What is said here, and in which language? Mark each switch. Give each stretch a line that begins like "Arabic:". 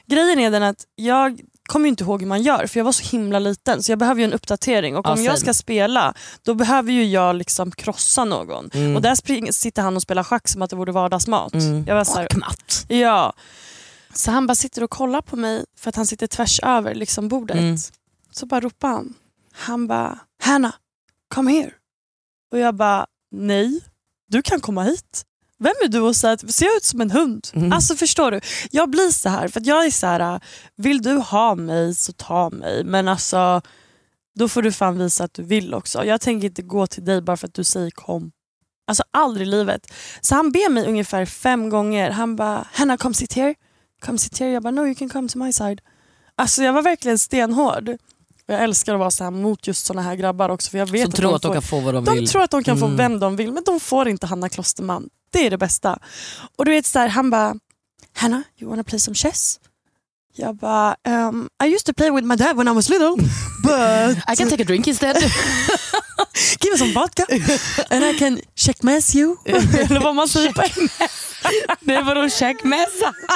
Swedish: grejen är den att jag kommer ju inte ihåg hur man gör, för jag var så himla liten, så jag behöver ju en uppdatering. Och om jag ska spela, då behöver ju jag liksom krossa någon. Mm. Och där sitter han och spelar schack som att det vore vardagsmat. Mm. Jag var så här, schackmatt. Ja. Så han bara sitter och kollar på mig, för att han sitter tvärs över liksom bordet. Mm. Så bara ropar han. Han bara, Hanna,
English: come here.
Swedish: Och jag bara, nej, du kan komma hit. Vem är du och säger att ser jag ut som en hund? Mm. Alltså förstår du? Jag blir så här, för att jag är så här, vill du ha mig så ta mig. Men alltså, då får du fan visa att du vill också. Jag tänker inte gå till dig bara för att du säger kom. Alltså aldrig i livet. Så han ber mig ungefär 5 gånger. Han bara, Hanna,
English: come sit here. Come sit here.
Swedish: Jag bara,
English: no, you can come to my side.
Swedish: Alltså jag var verkligen stenhård. Jag älskar att vara så här mot just såna här grabbar också. För jag vet som tror att de kan få vad de vill. De tror att de kan få vem de vill. Men de får inte Hanna Klosterman. Det är det bästa. Och du vet så här, han bara, Hanna,
English: you wanna play some chess?
Swedish: Jag bara,
English: I used to play with my dad when I was little. But I can take a drink instead. Give me some vodka. And I can checkmess you.
Swedish: Eller vad man säger på det var då checkmessa.